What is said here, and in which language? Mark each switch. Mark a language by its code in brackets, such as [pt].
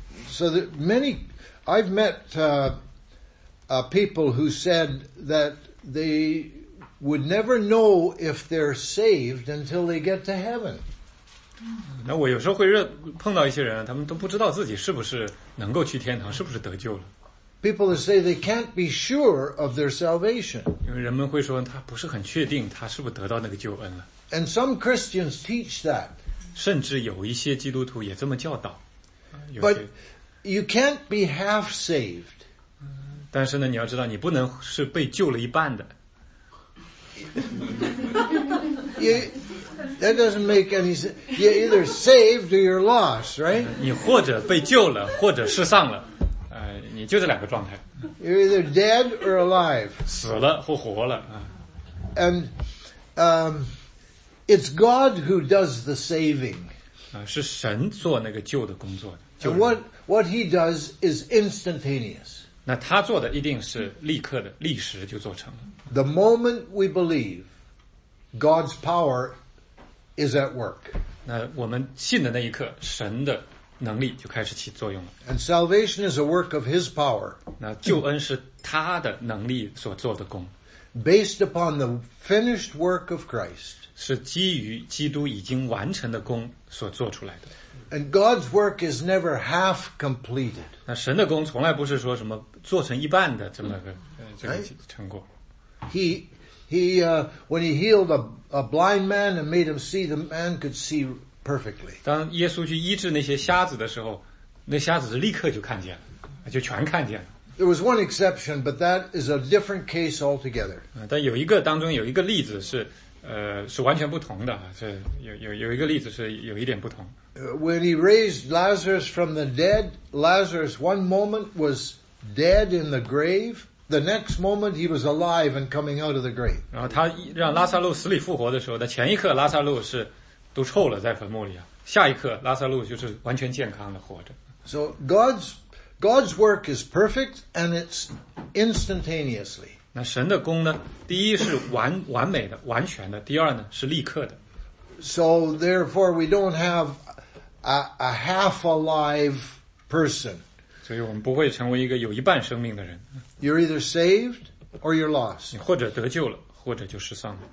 [en] So that many, I've met people who said that they would never know if they're saved until they get to heaven. [zh] 那我有时候会碰到一些人，他们都不知道自己是不是能够去天堂，是不是得救了。 [en] People that say they can't be sure of their salvation. [zh] 因为人们会说他不是很确定他是不是得到那个救恩了。 [en] And some Christians teach that. [zh] 甚至有一些基督徒也这么教导。 [en] But you can't be half saved. [zh] 但是呢你要知道你不能是被救了一半的。 [en] That doesn't make any sense. You're either saved or you're lost, right? [zh] 你或者被救了或者失丧了。你就这两个状态。 [en] You're either dead or alive. [zh] 死了或活了。 [en] And, It's God who does the saving. [zh] 是神做那个救的工作的。 [en] And what he does is instantaneous. [zh] 那他做的一定是立刻的，立时就做成了。 [en] The moment we believe, God's power is at work. [zh] 那我们信的那一刻，神的能力就开始起作用了。 [en] And salvation is a work of his power. [zh] 那救恩是他的能力所做的工。 [en] Based upon the finished work of Christ. [zh] 是基于基督已经完成的工所做出来的。 [en] And God's work is never half completed. [zh] 那神的工从来不是说什么做成一半的这么个成果。 [en] When he healed a blind man and made him see, the man could see perfectly. [zh] 当耶稣去医治那些瞎子的时候，那瞎子立刻就看见了，就全看见了。 [en] There was one exception, but that is a different case altogether. [zh] 但有一个当中有一个例子是是完全不同的，是有一个例子是有一点不同。 [en] When he raised Lazarus from the dead, Lazarus one moment was dead in the grave, the next moment he was alive and coming out of the grave. [zh] 然后他让拉撒路死里复活的时候，那前一刻拉撒路是都臭了在坟墓里啊，下一刻拉撒路就是完全健康的活着。 [en] So God's work is perfect and it's instantaneously. [zh] 那神的功呢？第一是完美的、完全的；第二呢是立刻的。 [en] So therefore, we don't have a half alive person. [zh] 所以我们不会成为一个有一半生命的人。 [en] You're either saved or you're lost. [zh] 你或者得救了，或者就失丧了。